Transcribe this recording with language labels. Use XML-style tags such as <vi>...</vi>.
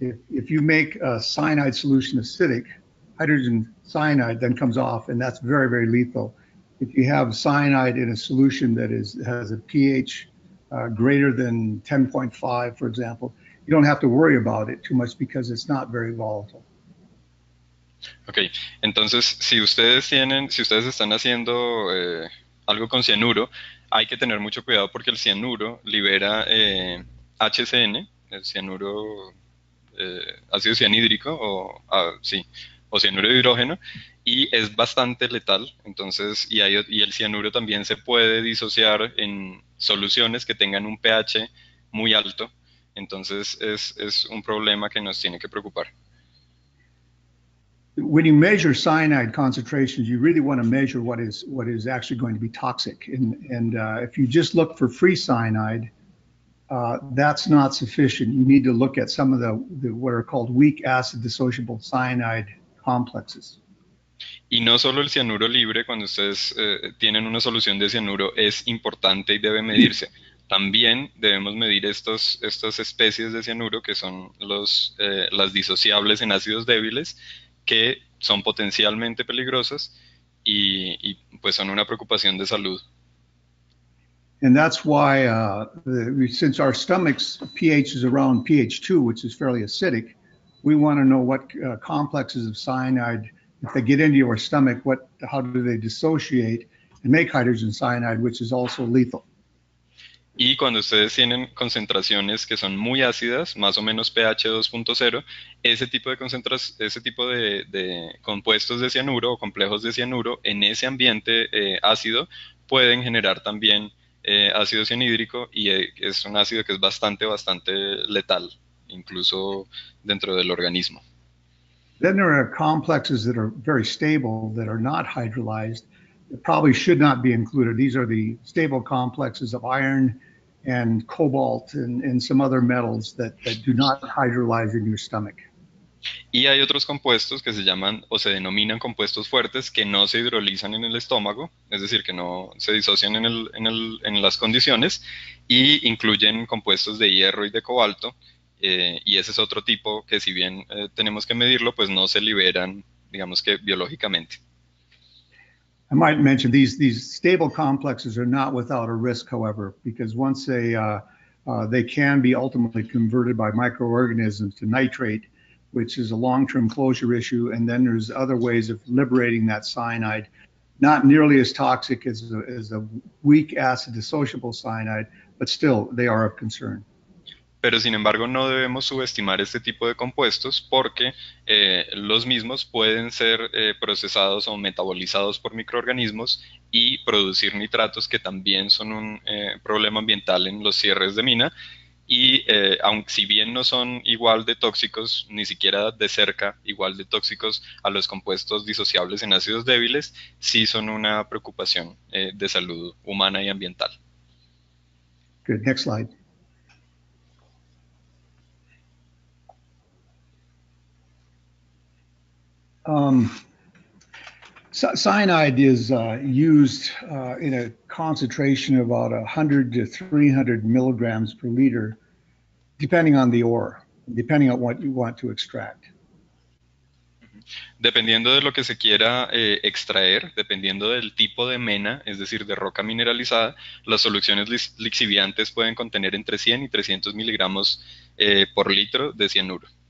<en>If you make a cyanide solution acidic, hydrogen cyanide then comes off, and that's very, very lethal. If you have cyanide in a solution that has a pH greater than 10.5, for example, you don't have to worry about it too much because it's not very volatile.</en> <es>Okay, entonces si ustedes están haciendo algo con cianuro, hay que tener mucho cuidado porque el cianuro libera HCN, el cianuro ácido cianhídrico o cianuro de hidrógeno, y es bastante letal. Entonces, y el cianuro también se puede disociar en soluciones que tengan un pH muy alto. Entonces, es un problema que nos tiene que preocupar.</es> <en>When you measure cyanide concentrations, you really want to measure what is actually going to be toxic. And if you just look for free cyanide, that's not sufficient. You need to look at some of the what are called weak acid dissociable cyanide complexes.</en> <es>Y no solo el cianuro libre, cuando ustedes tienen una solución de cianuro, es importante y debe medirse. También debemos medir estas especies de cianuro, que son las disociables en ácidos débiles, que son potencialmente peligrosas y pues son una preocupación de salud.</es> <en>And that's why, since our stomach's pH is around pH 2, which is fairly acidic, we want to know what complexes of cyanide, if they get into your stomach, how do they dissociate and make hydrogen cyanide, which is also lethal.</en> <es>Y cuando ustedes tienen concentraciones que son muy ácidas, más o menos pH 2.0, ese tipo de compuestos de cianuro o complejos de cianuro en ese ambiente ácido pueden generar también ácido cianhídrico, y es un ácido que es bastante, bastante letal, incluso dentro del organismo.</es> <en>Then there are complexes that are very stable that are not hydrolyzed that probably should not be included. These are the stable complexes of iron and cobalt and some other metals that do not hydrolyze in your stomach.</en> <es>Y hay otros compuestos que se llaman o se denominan compuestos fuertes que no se hidrolizan en el estómago, es decir, que no se disocian en las condiciones, y incluyen compuestos de hierro y de cobalto. Y ese es otro tipo que, si bien tenemos que medirlo, pues no se liberan, digamos que biológicamente.</es> <en>I might mention these stable complexes are not without a risk, however, because once they can be ultimately converted by microorganisms to nitrate, which is a long-term closure issue, and then there's other ways of liberating that cyanide, not nearly as toxic as a weak acid dissociable cyanide, but still they are of concern.</en> <es>Pero sin embargo no debemos subestimar este tipo de compuestos porque los mismos pueden ser procesados o metabolizados por microorganismos y producir nitratos, que también son un problema ambiental en los cierres de mina, y aunque si bien no son igual de tóxicos, ni siquiera de cerca igual de tóxicos a los compuestos disociables en ácidos débiles, sí son una preocupación de salud humana y ambiental.</es> <en>Good, next slide. Cyanide is used in a concentration of about 100 to 300 milligrams per liter, depending on the ore, depending on what you want to extract.</en> <es>Dependiendo de lo que se quiera extraer, dependiendo del tipo de mena, es decir, de roca mineralizada, las soluciones lixiviantes pueden contener entre 100 y 300 miligramos por litro de cianuro.</es>